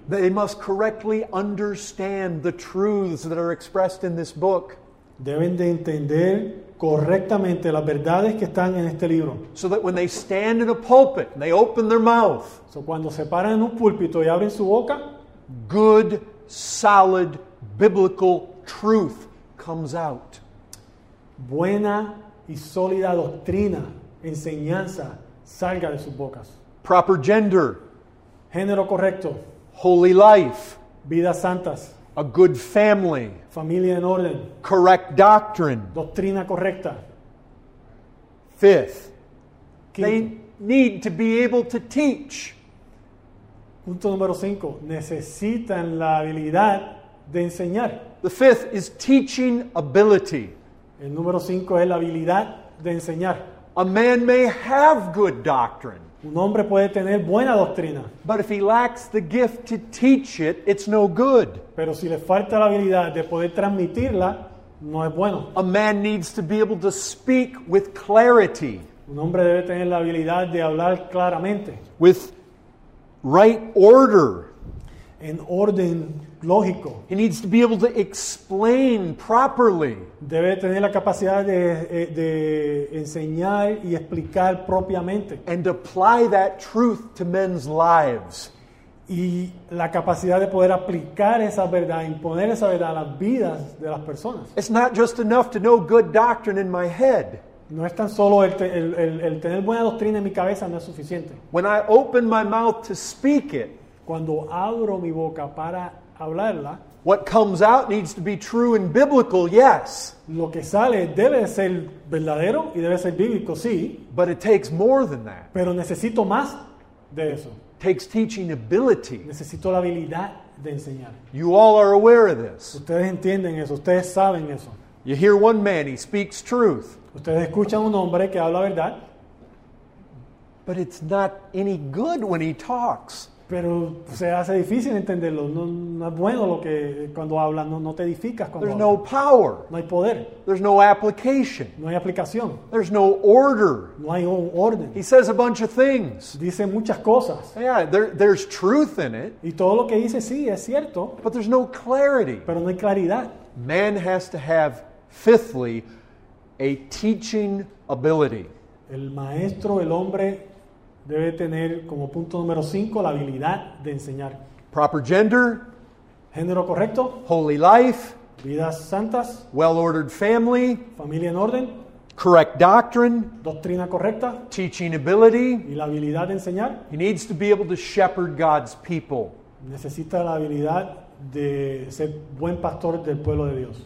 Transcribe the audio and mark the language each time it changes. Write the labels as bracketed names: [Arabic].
[English] They must correctly understand the truths that are expressed in this book. [Spanish] Deben de entender correctamente las verdades que están en este libro. [English] So that when they stand in a pulpit and they open their mouth, [Spanish] so cuando se paran en un púlpito y abren su boca, [English] good, solid, biblical truth comes out. [Spanish] Buena y sólida doctrina, enseñanza, salga de sus bocas. [English] Proper gender. [Spanish] Género correcto. [English] Holy life. [Spanish] Vidas santas. [English] A good family. [Spanish] Familia en orden. [English] Correct doctrine. [Spanish] Doctrina correcta. [English] Fifth. [Spanish] Quinto. [English] They need to be able to teach. [Spanish] Punto número cinco. Necesitan la habilidad de enseñar. [English] The fifth is teaching ability. [Spanish] El número cinco es la habilidad de enseñar. [English] A man may have good doctrine. [Spanish] Un hombre puede tener buena doctrina. [English] But if he lacks the gift to teach it, it's no good. [Spanish] Pero si le falta la habilidad de poder transmitirla, no es bueno. [English] A man needs to be able to speak with clarity. [Spanish] Un hombre debe tener la habilidad de hablar claramente. [English] With right order. [Spanish] En orden lógico. [English] He needs to be able to explain properly. [Spanish] Debe tener la capacidad de enseñar y explicar propiamente. [English] And apply that truth to men's lives. [Spanish] Y la capacidad de poder aplicar esa verdad, imponer esa verdad a las vidas de las personas. [English] It's not just enough to know good doctrine in my head. [Spanish] No es tan solo el tener buena doctrina en mi cabeza, no es suficiente. [English] When I open my mouth to speak it, [Spanish] cuando abro mi boca para hablarla, [English] what comes out needs to be true and biblical, yes. [Spanish] Lo que sale debe ser verdadero y debe ser bíblico, sí. [English] But it takes more than that. [Spanish] Pero necesito más de eso. [English] Takes teaching ability. [Spanish] Necesito la habilidad de enseñar. [English] You all are aware of this. [Spanish] Ustedes entienden eso. Ustedes saben eso. [English] You hear one man, he speaks truth. [Spanish] Ustedes escuchan un hombre que habla verdad. [English] But it's not any good when he talks. [Spanish] Pero se hace difícil entenderlo. No es bueno lo que cuando habla, no te edificas cuando [English] There's [Spanish] hablas. [English] No power. [Spanish] No hay poder. [English] There's no application. [Spanish] No hay aplicación. [English] There's no order. [Spanish] No hay orden. [English] He says a bunch of things. [Spanish] Dice muchas cosas. [English] Yeah, there's truth in it. [Spanish] Y todo lo que dice sí es cierto. [English] But there's no clarity. [Spanish] Pero no hay claridad. [English] Man has to have, fifthly, a teaching ability. [Spanish] El maestro, el hombre, debe tener como punto número 5 la habilidad de enseñar. [English] Proper gender. [Spanish] Género correcto. [English] Holy life. [Spanish] Vidas santas. [English] Well-ordered family. [Spanish] Familia en orden. [English] Correct doctrine. [Spanish] Doctrina correcta. [English] Teaching ability. [Spanish] Y la habilidad de enseñar. [English] He needs to be able to shepherd God's people. [Spanish] Necesita la habilidad de ser buen pastor del pueblo de Dios.